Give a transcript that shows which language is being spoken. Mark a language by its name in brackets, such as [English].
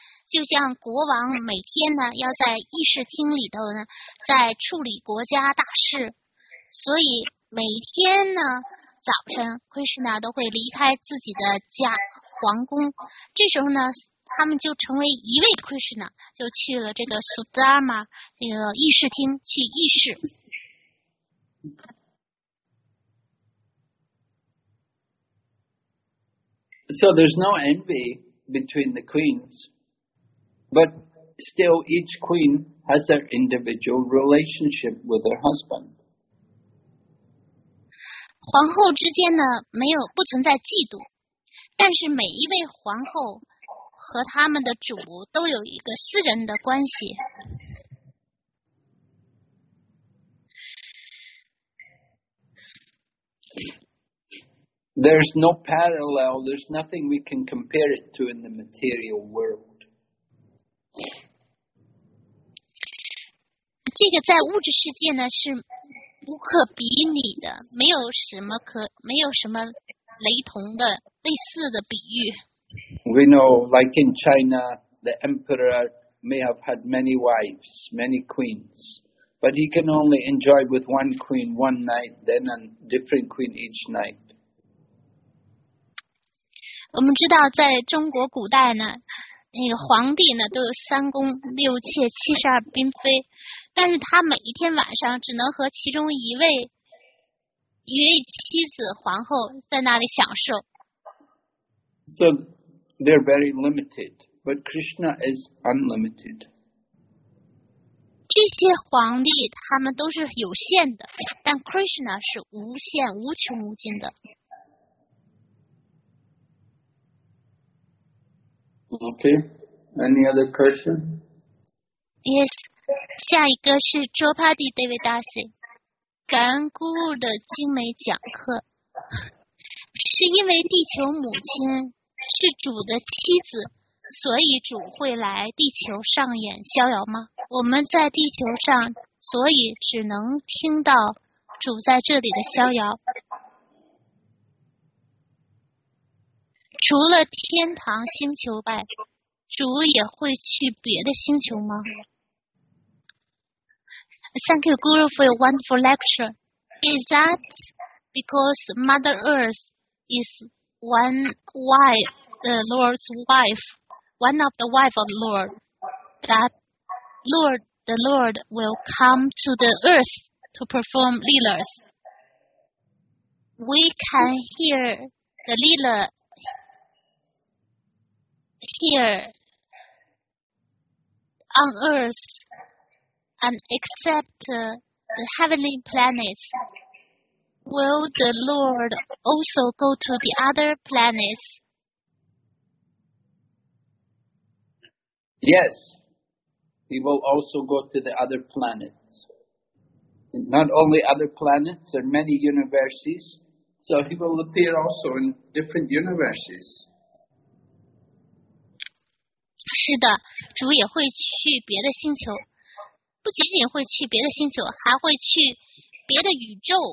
[Chinese] 就像国王每天呢要在议事厅里头呢在处理国家大事，所以每天呢早晨 Krishna 都会离开自己的家皇宫，这时候呢他们就成为一位 Krishna, 就去了这个 Sudama 这个议事厅去议事。 [English] So there's no envy between the queens, but still each queen has their individual relationship with her husband. [Chinese] 皇后之间呢，没有不存在嫉妒，但是每一位皇后和他们的主都有一个私人的关系。 [English] There's no parallel, there's nothing we can compare it to in the material world. [Chinese] 这个在物质世界呢是无可比拟的，没有什么可，没有什么雷同的，类似的比喻。 [English] We know, like in China, the emperor may have had many wives, many queens, but he can only enjoy with one queen one night, then a different queen each night. [Chinese] 我们知道在中国古代呢，那个皇帝呢都有三宫六妾七十二嫔妃，但是他每一天晚上只能和其中一位妻子皇后在那里享受。 [English] So they're very limited, but Krishna is unlimited. [Chinese] 这些皇帝他们都是有限的，但 Krishna 是无限无穷无尽的。 [English] Okay, any other question? [Chinese] Yes, 下一个是 Draupadi Devadasi, 感恩姑姑的精美讲课。是因为地球母亲是主的妻子，所以主会来地球上演逍遥吗？我们在地球上，所以只能听到主在这里的逍遥。除了天堂星球外，主也会去别的星球吗？ [English] Thank you, Guru, for your wonderful lecture. Is that because Mother Earth is one wife, the Lord's wife, one of the wife of the Lord, that Lord, the Lord will come to the Earth to perform leelas? We can hear the leela here on Earth and accept the heavenly planets. Will the Lord also go to the other planets? Yes, he will also go to the other planets. Not only other planets, there are many universes, so he will appear also in different universes. [Chinese] 是的，主也会去别的星球，不仅仅会去别的星球，还会去别的宇宙。